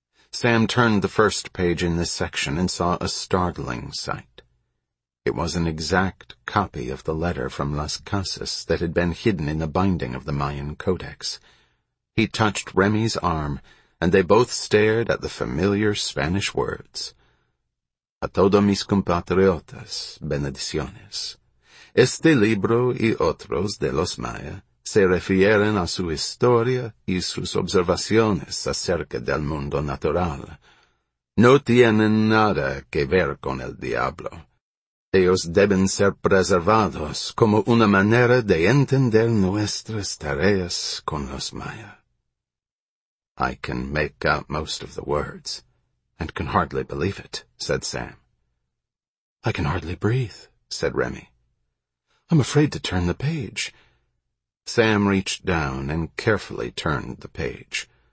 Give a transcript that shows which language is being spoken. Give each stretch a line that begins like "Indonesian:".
English: Sam turned the first page in this section and saw a startling sight. It was an exact copy of the letter from Las Casas that had been hidden in the binding of the Mayan Codex. He touched Remy's arm, and they both stared at the familiar Spanish words.
Spanish: A todos mis compatriotas, bendiciones. Este libro y otros de los Maya se refieren a su historia y sus observaciones acerca del mundo natural. No tienen nada que ver con el diablo. Ellos deben ser preservados como una manera de entender nuestras tareas con los Maya.
English: I can make out most of the words, and can hardly believe it, said Sam. I can hardly breathe, said Remy. I'm afraid to turn the page. Sam reached down and carefully turned the page.